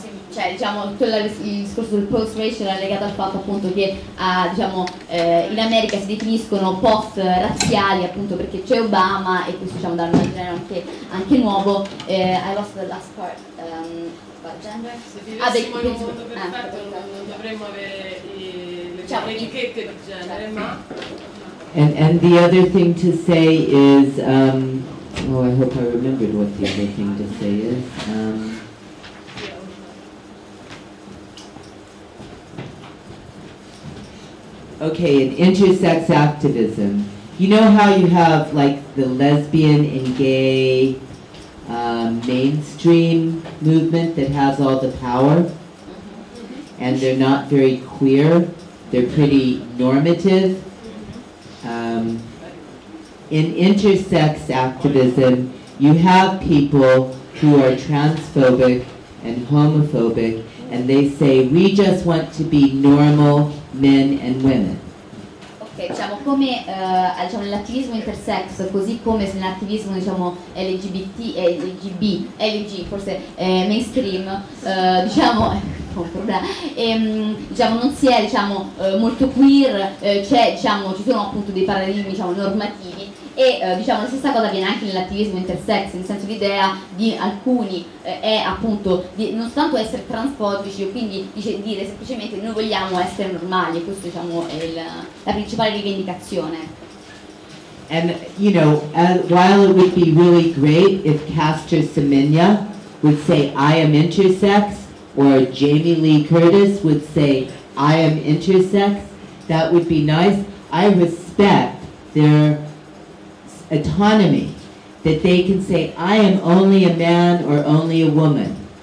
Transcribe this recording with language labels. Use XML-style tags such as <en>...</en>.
<it>cioè, diciamo, il discorso del post-racial è legato al fatto appunto che diciamo, in America si definiscono post-razziali appunto perché c'è Obama e questo, diciamo, dà un genere anche nuovo.</it> <en>I lost the last part.</en> <it>Se vivessimo in un mondo perfetto non dovremmo avere le etichette di genere, ma...</it> <en>And the other thing to say is... I hope I remembered what the other thing to say is. Okay, in intersex activism, you know how you have like the lesbian and gay mainstream movement that has all the power? And they're not very queer, they're pretty normative. In intersex activism, you have people who are transphobic and homophobic, and they say, we just want to be normal men and women.</en> <it>Ok, diciamo, come diciamo, nell'attivismo intersex, così come nell'attivismo, diciamo, LG mainstream, diciamo, diciamo, non si è, diciamo, molto queer, cioè, diciamo, ci sono appunto dei paradigmi, diciamo, normativi. E diciamo, la stessa cosa viene anche nell'attivismo intersex, nel senso l'idea di alcuni è appunto di non soltanto essere transfobici, quindi dire semplicemente noi vogliamo essere normali, e questo, diciamo, è la principale rivendicazione.</it> <en>And you know, while it would be really great if Castor Semenya would say I am intersex, or Jamie Lee Curtis would say I am intersex, that would be nice. I respect their autonomy, that they can say I am only a man or only a woman.</en>